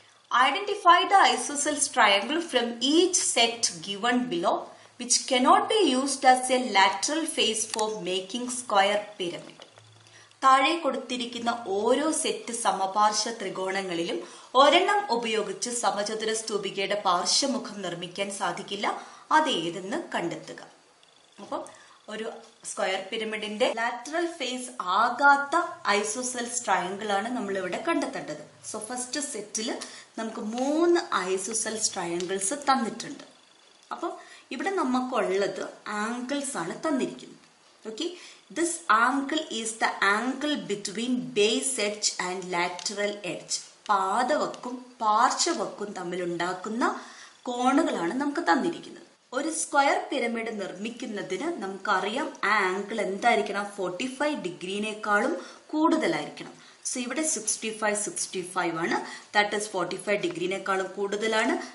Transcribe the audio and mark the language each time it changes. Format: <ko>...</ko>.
<en>Identify the isosceles triangle from each set given below, which cannot be used as a lateral face for making square pyramid.</en> <ml>താഴെ കൊടുത്തിരിക്കുന്ന ഓരോ set സമപാർശ്വ ത്രികോണങ്ങളിലും ഒരെണ്ണം ഉപയോഗിച്ച് സമചതുര സ്തൂപികയുടെ പാർശ്വമുഖം നിർമ്മിക്കാൻ സാധിക്കില്ല, അത് ഏതെന്ന് കണ്ടെത്തുക. അപ്പം ഒരു സ്ക്വയർ പിരമിഡിന്റെ ലാറ്ററൽ ഫേസ് ആകാത്ത ഐസോസെൽസ് ട്രയാങ്കിൾ ആണ് നമ്മളിവിടെ കണ്ടെത്തേണ്ടത്. സോ ഫസ്റ്റ് സെറ്റിൽ നമുക്ക് മൂന്ന് ഐസോസെൽസ് ട്രയാങ്കിൾസ് തന്നിട്ടുണ്ട്. അപ്പം ഇവിടെ നമുക്കുള്ളത് ആംഗിൾസ് ആണ് തന്നിരിക്കുന്നത്.</ml> <en>Okay, this angle is the angle between base edge and lateral edge.</en> <ml>പാദവക്കും പാർശ്വവക്കും തമ്മിലുണ്ടാക്കുന്ന കോണുകളാണ് നമുക്ക് തന്നിരിക്കുന്നത്. ഒരു സ്ക്വയർ പിരമിഡ് നിർമ്മിക്കുന്നതിന് നമുക്കറിയാം ആ ആംഗിൾ എന്തായിരിക്കണം, 45 ഡിഗ്രീനേക്കാളും കൂടുതലായിരിക്കണം. സോ ഇവിടെ 65 65 ആണ്, ദാറ്റ് ഇസ് 45 ഡിഗ്രീനേക്കാളും കൂടുതലാണ്.</ml>